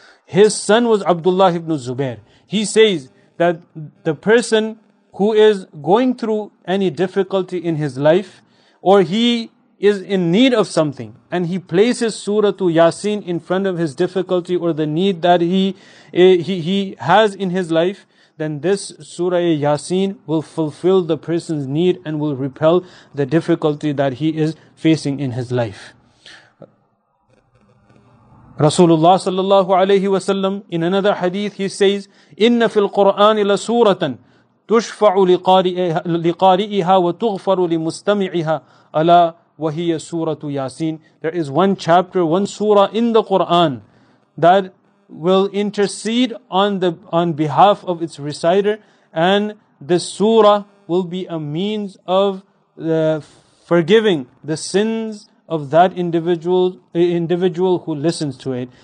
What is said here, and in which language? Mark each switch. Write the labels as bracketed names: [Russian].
[English] His son was Abdullah ibn Zubair. He says that the person who is going through any difficulty in his life, or he is in need of something, and he places Surah Yasin in front of his difficulty or the need that he has in his life, then this Surah Yasin will fulfill the person's need and will repel the difficulty that he is facing in his life. Rasulullah sallallahu alayhi wa sallam, in another hadith, he says, [Arabic] إِنَّ فِي الْقُرْآنِ لَسُورَةً تُشْفَعُ لِقَارِئِهَا وَتُغْفَرُ لِمُسْتَمِعِهَا أَلَا وَهِيَ سُورَةُ يَاسِينَ. [English] There is one chapter, one surah in the Quran that will intercede on behalf of its reciter, and this surah will be a means of forgiving the sins of that individual who listens to it.